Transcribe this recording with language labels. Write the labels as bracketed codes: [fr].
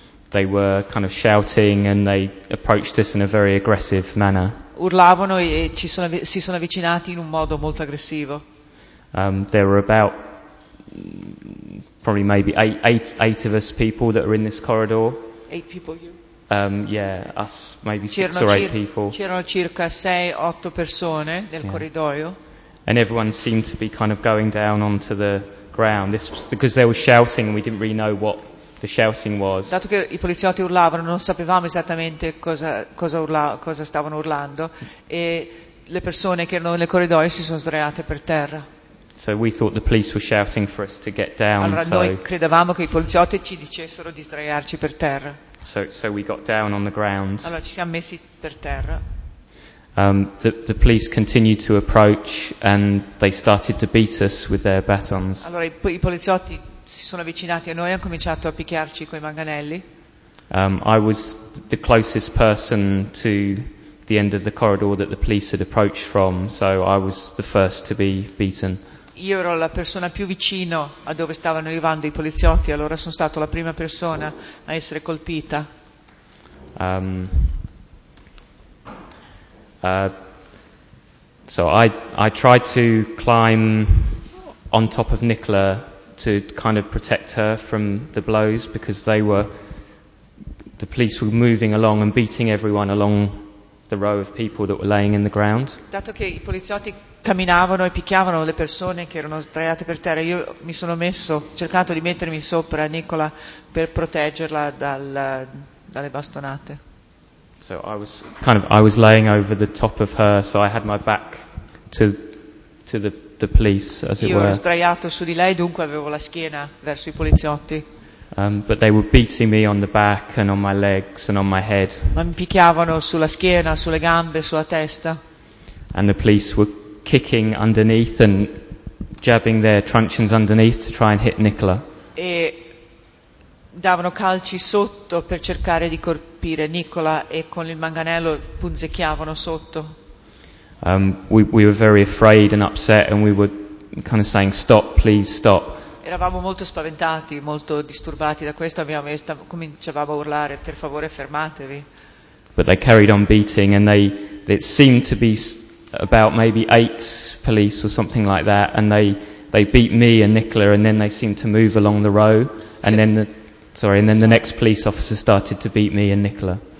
[en] They were kind of shouting and they approached us in a very aggressive manner. [it] Urlavano e si sono avvicinati in un modo molto aggressivo. [en] There were about probably maybe eight of us people that were in this corridor. Eight people, you? Us maybe [it] c'erano [en] six or eight people. [it] C'erano circa 6-8 persone nel corridoio. [en] And everyone seemed to be kind of going down onto the ground. This was because they were shouting and we didn't really know what the shouting was. [it] Dato che i poliziotti urlavano, non sapevamo esattamente cosa stavano urlando, e le persone che erano nel corridoio si sono sdraiate per terra. [en] So we thought the police were shouting for us to get down. [it] Allora [en] so [it] noi credevamo che i poliziotti ci dicessero di sdraiarci per terra. [en] So we got down on the ground. [it] Allora ci siamo messi per terra. [en] The police continued to approach and they started to beat us with their batons. [it] Allora i poliziotti si sono avvicinati a noi e hanno cominciato a picchiarci coi manganelli. [en] I was the closest person to the end of the corridor that the police had approached from, so I was the first to be beaten. [it] Io ero la persona più vicino a dove stavano arrivando i poliziotti, allora sono stato la prima persona a essere colpita. [en] So I tried to climb on top of Nicola to kind of protect her from the blows, because the police were moving along and beating everyone along the row of people that were laying in the ground. [it] Dato che i poliziotti camminavano e picchiavano le persone che erano sdraiate per terra, io mi sono messo, cercato di mettermi sopra Nicola per proteggerla dalle bastonate. [en] So I was laying over the top of her, so I had my back to the police, as it were. [it] Io ero sdraiato su di lei, dunque avevo la schiena verso i poliziotti. [en] But they were beating me on the back and on my legs and on my head. [it] Ma mi picchiavano sulla schiena, sulle gambe, sulla testa. [en] And the police were kicking underneath and jabbing their truncheons underneath to try and hit Nicola. [it] E davano calci sotto per cercare di colpire Nicola e con il manganello punzecchiavano sotto. [en] We were very afraid and upset, and we were kind of saying, "Stop, please stop." [it] Eravamo molto spaventati, molto disturbati da questo. Cominciavamo a urlare, "Per favore, fermatevi." [en] But they carried on beating, and it seemed to be about maybe 8 police or something like that, and they beat me and Nicola, and then they seemed to move along the row, and then the next police officer started to beat me and Nicola.